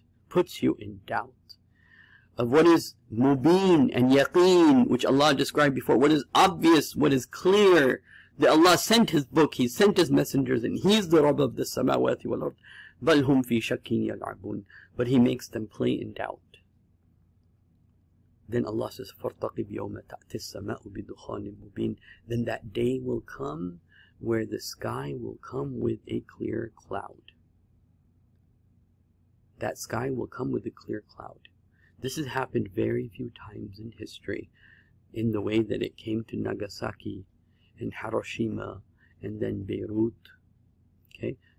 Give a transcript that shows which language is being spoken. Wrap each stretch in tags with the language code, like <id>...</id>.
<en>Puts you in doubt. Of what is mubeen and yaqeen, which Allah described before. What is obvious, what is clear. That Allah sent His book, He sent His messengers, and He's the Rabb of the</en> <ar>samawati wal ard. Bal hum fi shakkin yal'abun.</ar> <en>But He makes them play in doubt. Then Allah says,</en> <ar>فَارْتَقِبْ يَوْمَ تَعْتِ السَّمَاءُ بِدُخَانٍ مُبِينٍ.</ar> <en>Then that day will come where the sky will come with a clear cloud. That sky will come with a clear cloud. This has happened very few times in history in the way that it came to Nagasaki and Hiroshima and then Beirut. Okay?</en>